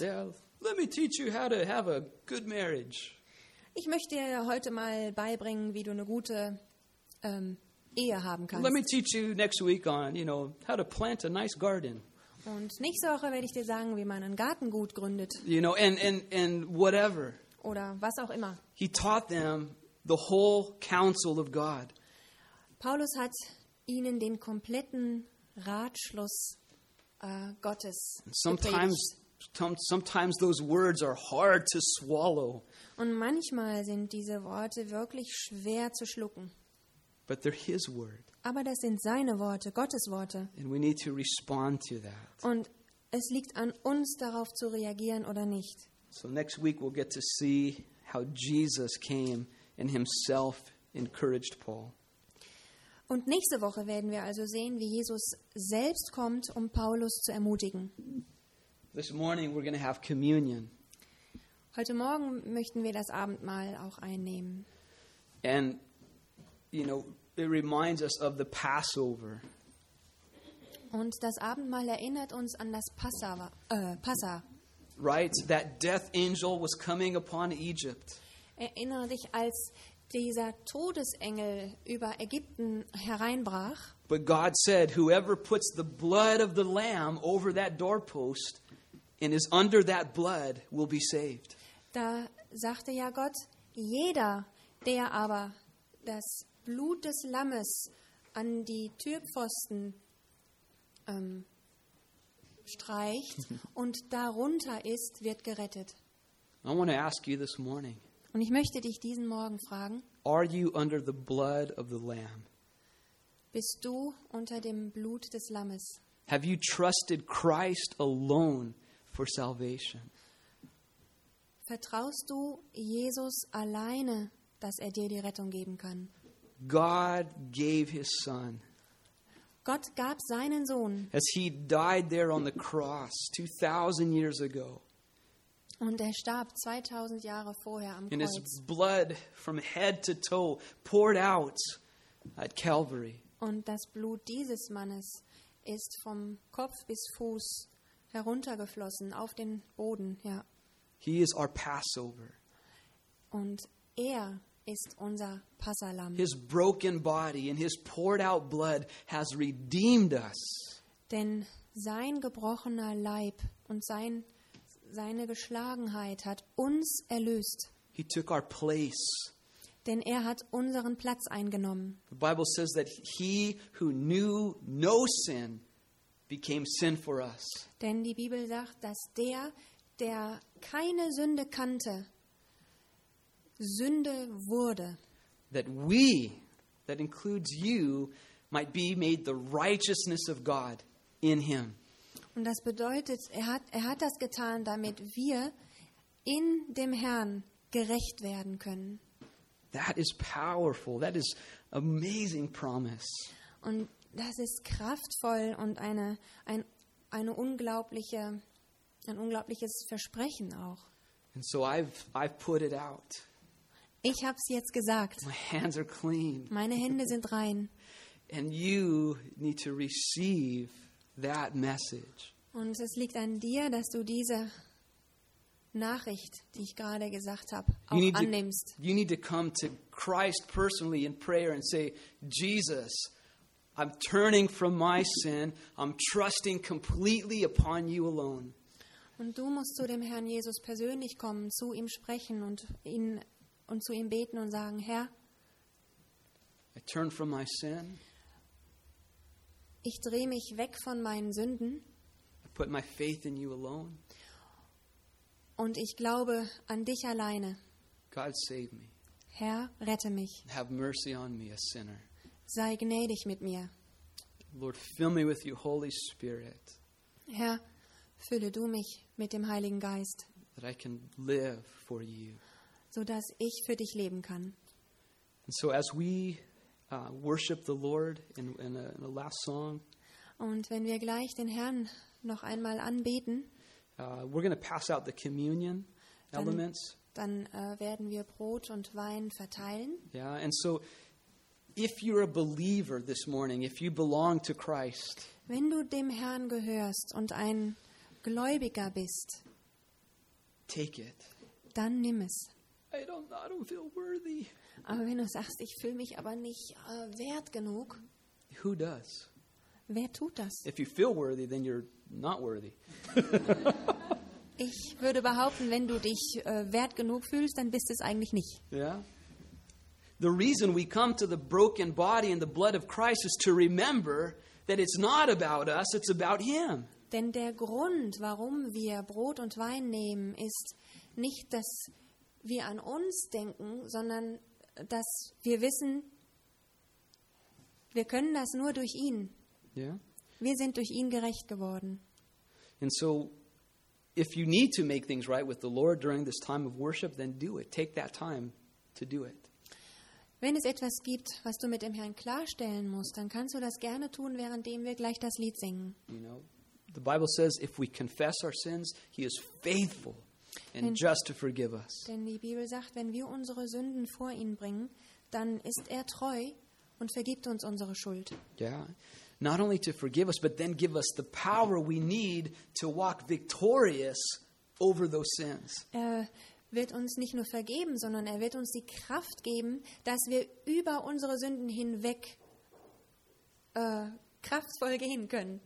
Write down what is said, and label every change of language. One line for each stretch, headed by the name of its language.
English: Yeah, let me teach you how to have a good marriage.
German: Ich möchte dir heute mal beibringen, wie du eine gute Ehe haben kannst.
English: Let me teach you next week on, you know, how to plant a nice garden.
German: Und nächste Woche werde ich dir sagen, wie man einen Garten gut gründet.
English: You know, and whatever.
German: Oder was auch immer.
English: He taught them the whole counsel of God.
German: Paulus hat ihnen den kompletten Ratschluss Gottes gepredigt.
English: Sometimes those words are hard to swallow.
German: Und manchmal sind diese Worte wirklich schwer zu schlucken.
English: But they're his word.
German: Aber das sind seine Worte, Gottes Worte.
English: And we need to respond to that.
German: Und es liegt an uns, darauf zu reagieren oder nicht.
English: So next week we'll get to see how Jesus came and himself encouraged Paul.
German: Und nächste Woche werden wir also sehen, wie Jesus selbst kommt, um Paulus zu ermutigen.
English: This morning we're going to have communion.
German: Heute Morgen möchten wir das Abendmahl auch einnehmen.
English: And you know, it reminds us of the Passover.
German: Und das Abendmahl erinnert uns an das Passa.
English: Right, that death angel was coming upon Egypt.
German: Erinnere dich, als dieser Todesengel über Ägypten hereinbrach.
English: But God said, whoever puts the blood of the lamb over that doorpost and is under that blood will be saved.
German: Da sagte ja Gott, jeder, der aber das Blut des Lammes an die Türpfosten streicht und darunter ist, wird gerettet.
English: I want to ask you this morning.
German: Und ich möchte dich diesen Morgen fragen.
English: Are you under the blood of the Lamb?
German: Bist du unter dem Blut des Lammes?
English: Have you trusted Christ alone for salvation?
German: Vertraust du Jesus alleine, dass er dir die Rettung geben kann?
English: God gave his son.
German: Gott gab seinen Sohn.
English: As he died there on the cross 2000 years ago.
German: Und er starb 2000 Jahre vorher am Kreuz.
English: And his blood from head to toe poured out at Calvary.
German: Und das Blut dieses Mannes ist vom Kopf bis Fuß heruntergeflossen auf den Boden, ja.
English: He is our Passover.
German: Und er ist unser Passalamm.
English: His broken body and his poured out blood has redeemed us.
German: Denn sein gebrochener Leib und seine Geschlagenheit hat uns erlöst.
English: He took our place.
German: Denn er hat unseren Platz eingenommen.
English: The Bible says that he who knew no sin became sin for us.
German: Denn die Bibel sagt, dass der, der keine Sünde kannte, Sünde wurde.
English: That we, that includes you, might be made the righteousness of God in him.
German: Und das bedeutet, er hat das getan, damit wir in dem Herrn gerecht werden können.
English: That is powerful. That is amazing promise.
German: Und das ist kraftvoll und ein unglaubliches Versprechen auch.
English: And so I've put it out.
German: Ich habe es jetzt gesagt.
English: My hands are clean.
German: Meine Hände sind rein.
English: And you need to receive that message.
German: Und es liegt an dir, dass du diese Nachricht, die ich gerade gesagt habe, auch annimmst.
English: You need to come to Christ personally in prayer and say, Jesus, I'm turning from my sin. I'm trusting completely upon you alone.
German: Und du musst zu dem Herrn Jesus persönlich kommen, zu ihm sprechen und ihn und zu ihm beten und sagen, Herr,
English: I turn from my sin.
German: Ich drehe mich weg von meinen Sünden.
English: I put my faith in you alone.
German: Und ich glaube an dich alleine.
English: God save me.
German: Herr, rette mich.
English: Have mercy on me, a sinner.
German: Sei gnädig mit mir.
English: Lord, fill me with your Holy Spirit.
German: Herr, fülle du mich mit dem Heiligen Geist.
English: That I can live for you.
German: So dass ich für dich leben kann.
English: And so as we worship the Lord in a last song.
German: Und wenn wir gleich den Herrn noch einmal anbeten,
English: we're going to pass out the communion elements.
German: Dann werden wir Brot und Wein verteilen.
English: Yeah, and so if you're a believer this morning, if you belong to Christ,
German: wenn du dem Herrn gehörst und ein Gläubiger bist,
English: take it.
German: Dann nimm es.
English: I don't feel worthy.
German: Aber wenn du sagst, ich fühle mich aber nicht wert genug.
English: Who does?
German: Wer tut das?
English: If you feel worthy, then you're not worthy.
German: Ich würde behaupten, wenn du dich wert genug fühlst, dann bist es eigentlich nicht.
English: Yeah. The reason we come to the broken body and the blood of Christ is to remember that it's not about us, it's about him.
German: Denn der Grund, warum wir Brot und Wein nehmen, ist nicht, dass wir an uns denken, sondern dass wir wissen, wir können das nur durch ihn.
English: Yeah.
German: Wir sind durch ihn gerecht geworden.
English: And so if you need to make things right with the Lord during this time of worship, then do it. Take that time to do it.
German: Wenn es etwas gibt, was du mit dem Herrn klarstellen musst, dann kannst du das gerne tun, währenddem wir gleich das Lied singen.
English: You know, the Bible says, if we confess our sins, he is faithful and just to forgive us.
German: Denn die Bibel sagt, wenn wir unsere Sünden vor ihn bringen, dann ist er treu und vergibt uns unsere Schuld.
English: Yeah. Not only to forgive us, but then give us the power we need to walk victorious over those sins.
German: Er wird uns nicht nur vergeben, sondern er wird uns die Kraft geben, dass wir über unsere Sünden hinweg kraftvoll gehen können.